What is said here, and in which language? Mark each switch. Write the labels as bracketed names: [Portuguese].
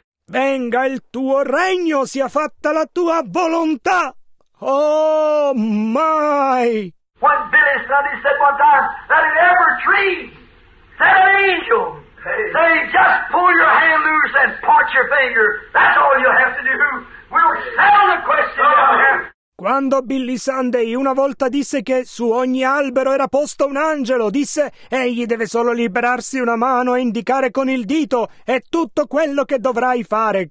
[Italian] Venga il tuo regno, sia fatta la tua volontà. [English] Oh my! What Billy Sunday said one time, that in every tree, said an angel, say, just pull your hand loose and part your finger. That's all you have to do. We'll settle the question down here. [Italian] Quando Billy Sunday una volta disse che su ogni albero era posto un angelo, disse, egli deve solo liberarsi una mano e indicare con il dito, è tutto quello che dovrai fare.